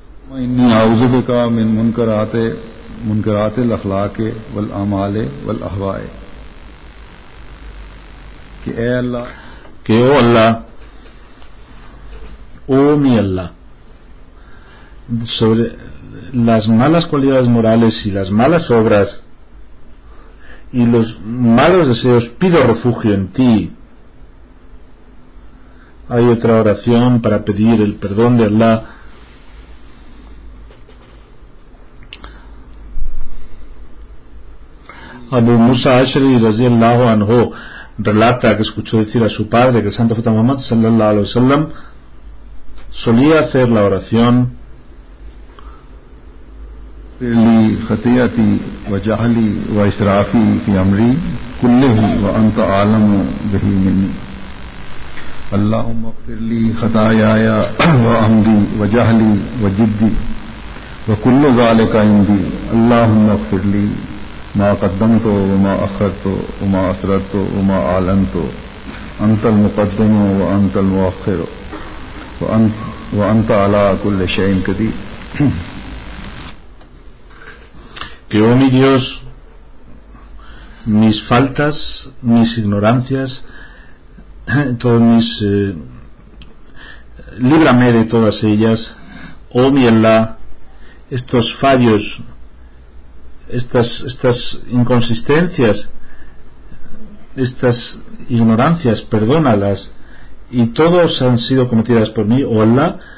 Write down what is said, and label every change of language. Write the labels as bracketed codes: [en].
[ar] انی اعوذ بکا من منکرات منکرات الاخلاق والاعمال والاهواء، [ur] کہ اے اللہ، کہ او اللہ، او می اللہ، [es] sobre las malas cualidades morales y las malas obras y los malos deseos pido refugio en ti. Hay otra oración para pedir el perdón de Allah. Abu Musa Ashri رضی اللہ عنہ relata que escuchó decir a su padre que el santo profeta Muhammad sallallahu alaihi wasallam solía hacer la oración [ar] لي خطيئتي وجهلي وإسرافي في أمري كله وأنت أعلم به مني، اللهم اغفر لي خطاياي وعمدي وجهلي وجدي وكل ذلك عندي، اللهم اغفر لي ما قدمت وما أخرت وما أسررت وما أعلنت، أنت المقدم وأنت المؤخر وأنت على كل شيء قدير. [es] Que oh mi Dios, mis faltas, mis ignorancias, todos mis líbrame de todas ellas, oh mi Allah, estos fallos, estas inconsistencias, estas ignorancias, perdónalas, y todos han sido cometidas por mí, oh Allah,